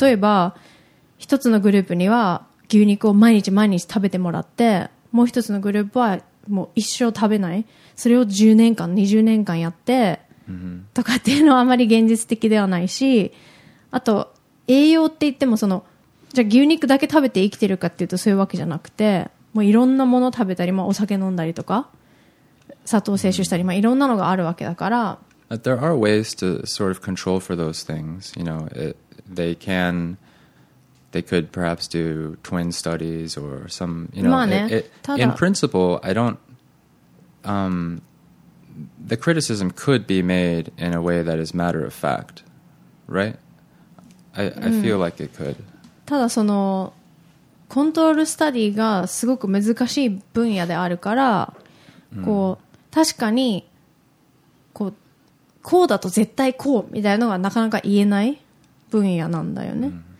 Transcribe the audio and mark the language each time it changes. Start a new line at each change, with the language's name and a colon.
Japanese: 例えば一つのグループには牛肉を毎日毎日食べてもらって、もう一つのグループはもう一生食べない、それを10年間20年間やってとかっていうのはあまり現実的ではないし、あと栄養って言ってもそのじゃあ牛肉だけ食べて生きてるかっていうとそういうわけじゃなくて、もういろんなもの食べたり、まあ、お酒飲んだりとか砂糖摂取したり、まあ、いろんなのがあるわけだから。
English: But there are ways to sort of control for those things. You know, they could perhaps do twin studies or some, you know, in principle, the criticism could be made in a way that is matter of fact, right? I feel like it could.
Japanese: ただそのコントロールスタディがすごく難しい分野であるから、こう確かにこうだと絶対こうみたいなのがなかなか言えない分野なんだよね。